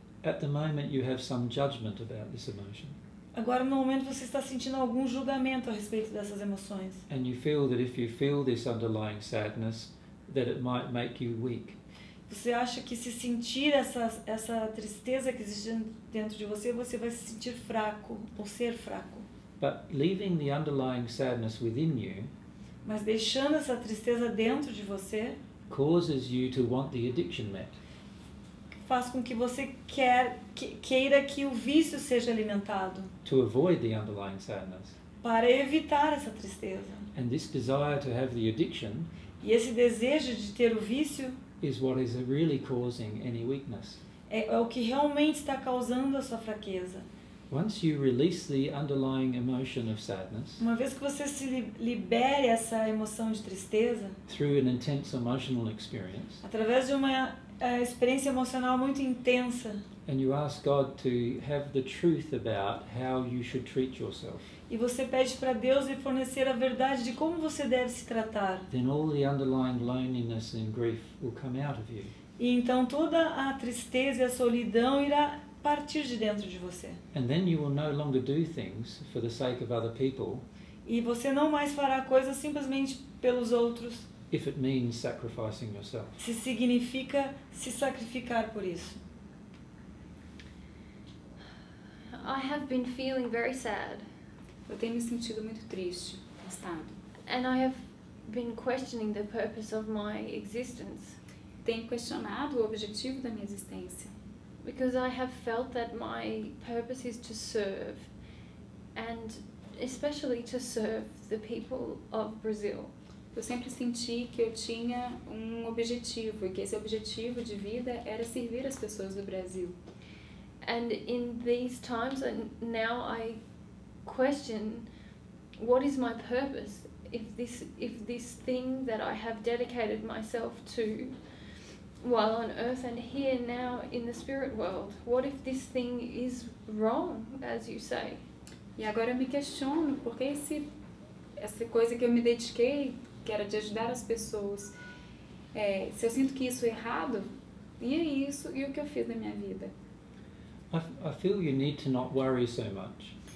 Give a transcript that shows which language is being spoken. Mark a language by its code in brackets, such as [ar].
[en] At the moment you have some judgment about this emotion. [pt] Agora no momento você está sentindo algum julgamento a respeito dessas emoções. [en] And you feel that if you feel this underlying sadness that it might make you weak. [pt] Você acha que se sentir essa tristeza que existe dentro de você, você vai se sentir fraco ou ser fraco. [en] But leaving the underlying sadness within you. [pt] Mas deixando essa tristeza dentro de você [en] causes you to want the addiction met. [pt] Faz com que você queira que o vício seja alimentado. [en] To avoid the underlying sadness. [pt] Para evitar essa tristeza. [en] And this desire to have the addiction. [pt] E esse desejo de ter o vício [en] is what is really causing any weakness. [pt] É o que realmente está causando a sua fraqueza. [en] Once you release the underlying emotion of sadness. [pt] Uma vez que você se libere essa emoção de tristeza. [en] Through an intense emotional experience. [pt] Através de uma experiência emocional muito intensa. [en] And you ask God to have the truth about how you should treat yourself. [pt] E você pede para Deus lhe fornecer a verdade de como você deve se tratar. [en] Then all the underlying loneliness and grief will come out of you. [pt] E então toda a tristeza e a solidão irá partir de dentro de você. [en] And then you will no longer do things for the sake of other people. [pt] E você não mais fará coisas simplesmente pelos outros. [en] If it means sacrificing yourself. [pt] Se significa se sacrificar por isso. [en] I have been feeling very sad. [pt] Eu tenho me sentido muito triste, cansado. [en] And I have been questioning the purpose of my existence. [pt] Tenho questionado o objetivo da minha existência. [en] Because I have felt that my purpose is to serve, and especially to serve the people of Brazil. [pt] Eu sempre senti que eu tinha um objetivo, e que esse objetivo de vida era servir as pessoas do Brasil. [en] And in these times, now I question, what is my purpose? If this thing that I have dedicated myself to, while on earth and here now in the spirit world, what if this thing is wrong, as you say? [pt] E agora eu me questiono, porque essa coisa que eu me dediquei, que era de ajudar as pessoas, se eu sinto que isso é errado, e é isso, e o que eu fiz na minha vida? [en] I feel you need to not worry so much.